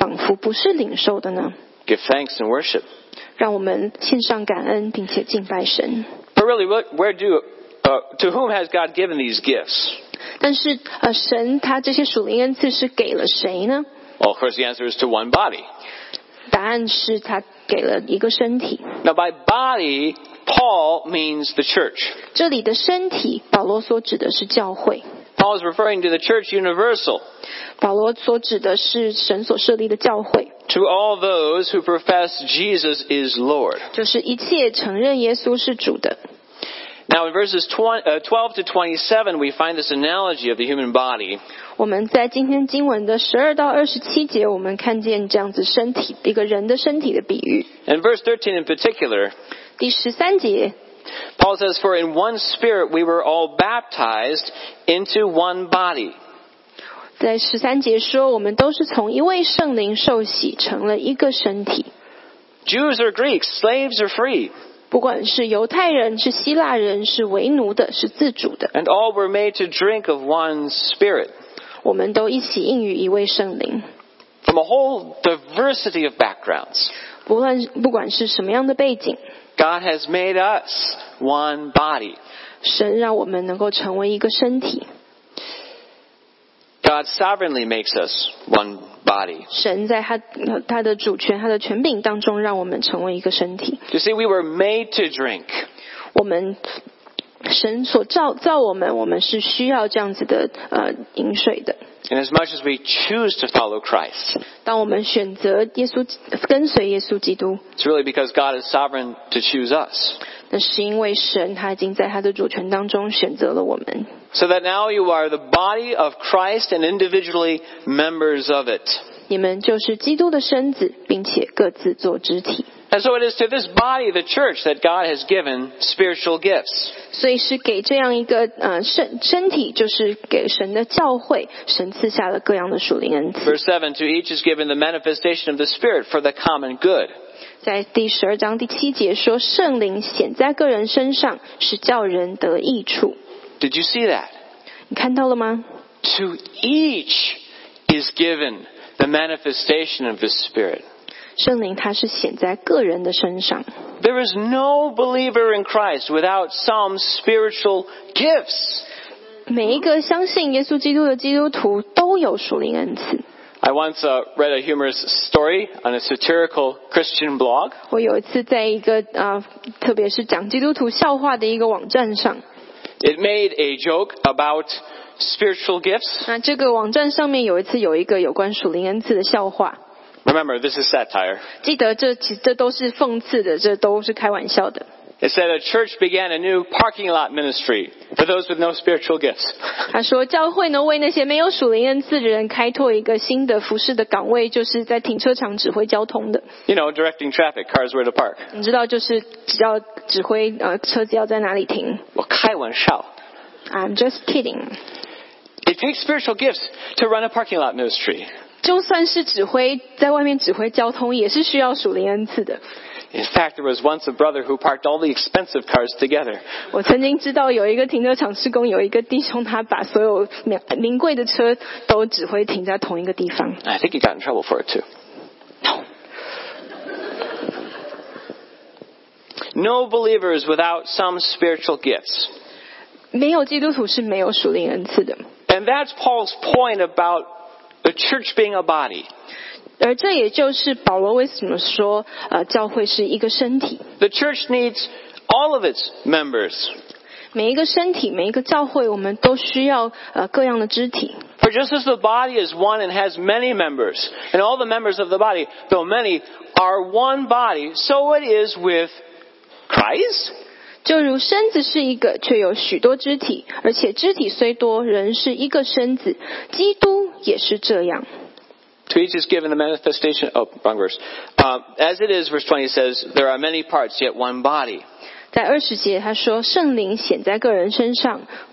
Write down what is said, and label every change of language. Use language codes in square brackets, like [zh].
[zh] 若是领受的，为什么自夸仿佛不是领受的呢？ [en] Give thanks and worship. [zh] 让我们献上感恩，并且敬拜神。 [en] But really, to whom has God given these gifts? [zh] 但是神他这些属灵恩赐是给了谁呢？ [en] Well, of course, the answer is to one body. [zh] 答案是他给了一个身体。 [en] Now, by body, Paul means the church. [zh] 这里的身体，保罗所指的是教会。 [en] Paul is referring to the church universal. [zh] 保罗所指的是神所设立的教会。 [en] To all those who profess Jesus is Lord. [zh] 就是一切承认耶稣是主的。 [en] Now in verses 12 to 27, we find this analogy of the human body. [zh] 我们在今天经文的12到27节, 我们看见这样子身体, 一个人的身体的比喻。 [en] In verse 13 in particular, [zh] 第13节, [en] Paul says, "For in one spirit we were all baptized into one body." [zh] 在13节说, 我们都是从一位圣灵受洗成了一个身体。 [en] Jews or Greeks, slaves or free. [zh] 不管是犹太人，是希腊人，是为奴的，是自主的。 [en] And all were made to drink of one spirit. [zh] 我们都一起应与一位圣灵。 [en] From a whole diversity of backgrounds. [zh] 不管是什么样的背景。 [en] God has made us one body. [zh] 神让我们能够成为一个身体。 [en] God sovereignly makes us one body. [zh] 神在他的主权、他的权柄当中，让我们成为一个身体。 [en] You see, we were made to drink. [zh] 我们神所造我们，我们是需要这样子的饮水的。 [en] And as much as we choose to follow Christ, [zh] 当我们选择耶稣跟随耶稣基督 [en] it's really because God is sovereign to choose us. [zh] 那是因为神他已经在他的主权当中选择了我们。 [en] So that now you are the body of Christ and individually members of it. [zh] 你们就是基督的身子，并且各自做肢体。 [en] And so it is to this body, the church, that God has given spiritual gifts. [zh] 所以是给这样一个身体，就是给神的教会，神赐下了各样的属灵恩赐。 [en] Verse 7, to each is given the manifestation of the Spirit for the common good. [zh] 在第十二章第七节说，圣灵显在个人身上，使叫人得益处。 [en] Did you see that? [zh] 你看到了吗？ [en] To each is given the manifestation of the Spirit. [zh] 圣灵它是显在个人的身上。 [en] There is no believer in Christ without some spiritual gifts. [zh] 每一个相信耶稣基督的基督徒都有属灵恩赐。 [en] I once read a humorous story on a satirical Christian blog. [zh] 我有一次在一个特别是讲基督徒笑话的一个网站上。 [en] It made a joke about spiritual gifts. [zh] 那这个网站上面有一次有一个有关属灵恩赐的笑话。 [en] Remember, this is satire. [zh] 记得这都是讽刺的，这都是开玩笑的。 [en] It said a church began a new parking lot ministry for those with no spiritual gifts. [zh] 他说教会呢为那些没有属灵恩赐的人开拓一个新的服事的岗位，就是在停车场指挥交通的。 [en] You know, directing traffic, cars where to park. [zh] 你知道就是要指挥车子要在哪里停。我开玩笑。 [en] I'm just kidding. It takes spiritual gifts to run a parking lot ministry. [zh] 就算是指挥在外面指挥交通，也是需要属灵恩赐的。 [en] In fact, there was once a brother who parked all the expensive cars together. [zh] 我曾经知道有一个停车场施工，有一个弟兄他把所有名贵的车都指挥停在同一个地方。 [en] I think he got in trouble for it too. No. No believers without some spiritual gifts. [zh] 没有基督徒是没有属灵恩赐的。 [en] And that's Paul's point about the church being a body. [zh] 而这也就是保罗为什么说教会是一个身体。 [en] The church needs all of its members. [zh] 每一个身体，每一个教会，我们都需要各样的肢体。 [en] For just as the body is one and has many members, and all the members of the body, though many, are one body, so it is with Christ. [zh] 就如身子是一个，却有许多肢体，而且肢体虽多，仍是一个身子，基督也是这样。 [en] To each is given the manifestation. Oh, wrong verse. As it is, verse 20 says, "There are many parts, yet one body." [zh] 在二十节他说，圣灵显在个人身上。